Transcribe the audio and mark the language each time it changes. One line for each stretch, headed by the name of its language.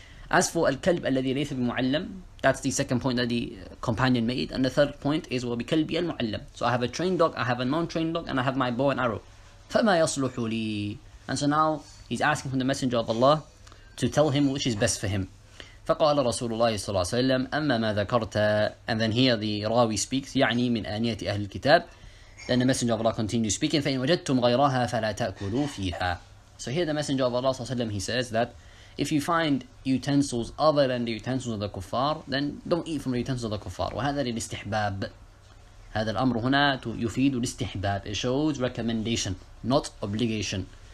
English: As for
Arabic: al-kalb alladhi laysa bi-mu'allam,
English: that's the second point that the companion made. And the third point is
Arabic: wa bi-kalbi al-mu'allam.
English: So I have a trained dog, I have a non-trained dog, and I have my bow and arrow.
Arabic: Fama yasluhu li.
English: And so now he's asking from the Messenger of Allah to tell him which is best for him.
Arabic: فقال رسول الله صلى الله عليه وسلم أما ما ذكرت.
English: And then here the Rawi speaks,
Arabic: يعني من آنية أهل الكتاب.
English: Then the Messenger of Allah continues speaking,
Arabic: فإن وجدتم غيرها فلا تأكلوا فيها.
English: So here the Messenger of Allah صلى الله عليه وسلم, he says that if you find utensils other than the utensils of the kuffar, then don't eat from the utensils of the kuffar.
Arabic: وهذا للاستحباب. هذا الأمر هنا يفيد الاستحباب.
English: It shows recommendation, not obligation.